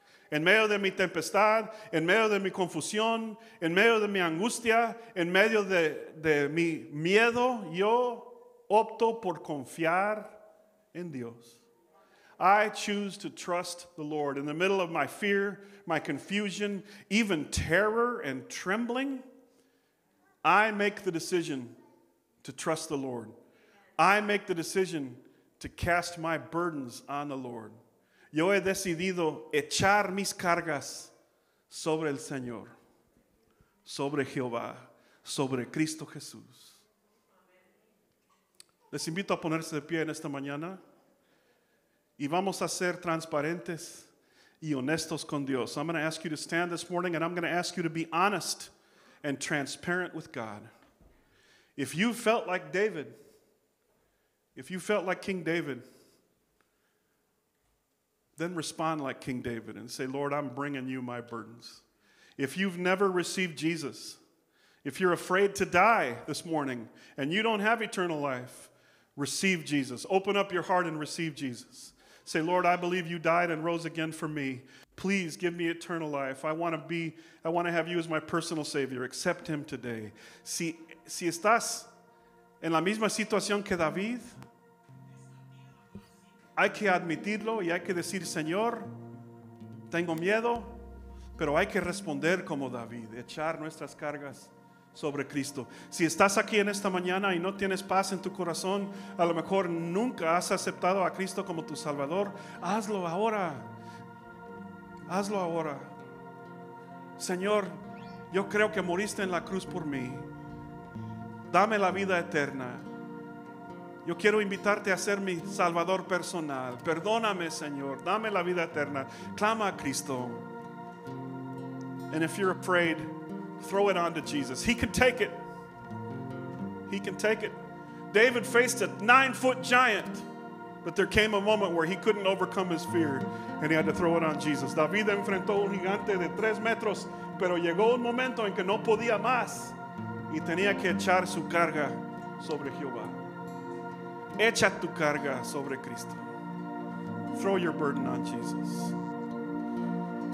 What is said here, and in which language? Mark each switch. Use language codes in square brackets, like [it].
[es] En medio de mi tempestad, en medio de mi confusión, en medio de mi angustia, en medio de mi miedo, yo opto por confiar en Dios. [en] I choose to trust the Lord. In the middle of my fear, my confusion, even terror and trembling, I make the decision to trust the Lord. I make the decision to cast my burdens on the Lord. [es] Yo he decidido echar mis cargas sobre el Señor, sobre Jehová, sobre Cristo Jesús. Les invito a ponerse de pie en esta mañana y vamos a ser transparentes y honestos con Dios. [en] I'm going to ask you to stand this morning and I'm going to ask you to be honest and transparent with God. If you felt like David, if you felt like King David, then respond like King David and say, Lord, I'm bringing you my burdens. If you've never received Jesus, if you're afraid to die this morning and you don't have eternal life, receive Jesus. Open up your heart and receive Jesus. Say, Lord, I believe you died and rose again for me. Please give me eternal life. I want to have you as my personal Savior. Accept him today. [es] Si estás en la misma situación que David, hay que admitirlo y hay que decir, Señor, tengo miedo, pero hay que responder como David, echar nuestras cargas sobre Cristo. Si estás aquí en esta mañana y no tienes paz en tu corazón, a lo mejor nunca has aceptado a Cristo como tu Salvador, hazlo ahora. Hazlo ahora. Señor, yo creo que moriste en la cruz por mí. Dame la vida eterna. Yo quiero invitarte a ser mi Salvador personal. Perdóname, Señor. Dame la vida eterna. Clama a Cristo. [en] And if you're afraid, throw it on to Jesus. He can take it. He can take it. David faced a 9-foot giant, but there came a moment where he couldn't overcome his fear, and he had to throw it on Jesus. [es] David enfrentó un gigante de 3 metros, pero llegó un momento en que no podía más y tenía que echar su carga sobre Jehová. Echa tu carga sobre Cristo. [en] Throw your burden on Jesus.